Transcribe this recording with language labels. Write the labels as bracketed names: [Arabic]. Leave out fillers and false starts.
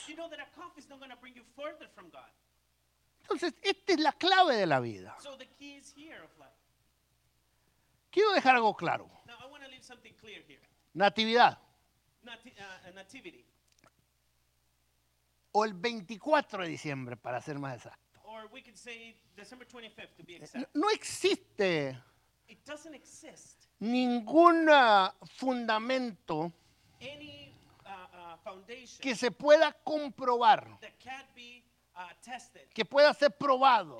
[English] You know that a coffee is not going to bring you further from God. [Spanish] Entonces, esta es la clave de la vida. [English] So the key is here of life. [Spanish] Quiero dejar algo claro. [English] Now, I want to leave something clear here. [Spanish] Natividad. [English] Nativity. [Spanish] O el 24 de diciembre, para ser más exacto. [English] Or we could say December 25th, to be exact. [Spanish] No existe, [English] it doesn't exist, [Spanish] ningún fundamento, [English] any, foundation, [Spanish] que se pueda comprobar, [English] that can't be, tested, [Spanish] que pueda ser probado,